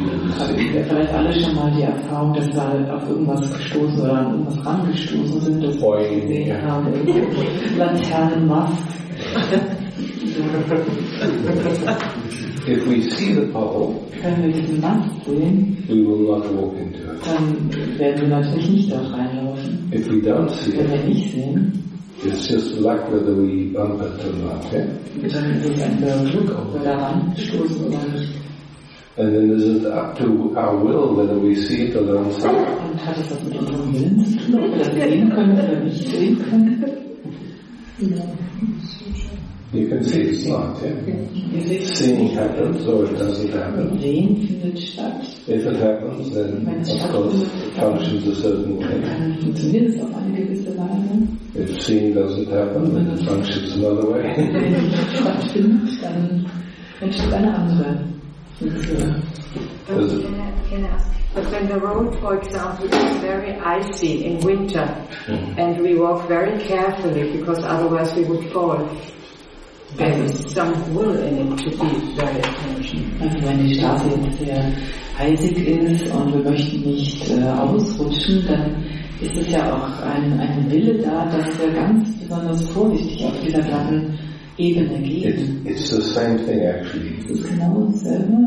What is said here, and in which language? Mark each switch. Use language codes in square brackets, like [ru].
[en] didn't see. If we see the pole, [de] wenn wir diesen Mast sehen, [en] we will not walk into it. [de] Dann werden wir natürlich nicht dort reinlaufen. [en] If we don't see [de] wenn wir nicht sehen, [en] it's just luck whether we bump it or not, eh? [de] Dann ist es ein Glück, ob wir daran stoßen oder nicht. [en] And then is it up to our will whether we see it or don't see it? [de] Und hat es was mit unserem Willen zu tun, ob wir das sehen können oder nicht sehen können? [en] You can see it's not, yeah? Seeing happens or it doesn't happen. If it happens, then of course it functions a certain way. If seeing doesn't happen, then it functions another way. But when the road, for example, is very icy in winter, and we walk very carefully because otherwise we would fall, there is some will in it to be very attention. [de] Also wenn die Straße jetzt sehr eisig ist und wir möchten nicht ausrutschen, dann ist es ja auch ein Wille da, dass wir ganz besonders vorsichtig auf dieser glatten Ebene gehen. [en] It's the same thing actually. [de] Es ist genau dasselbe.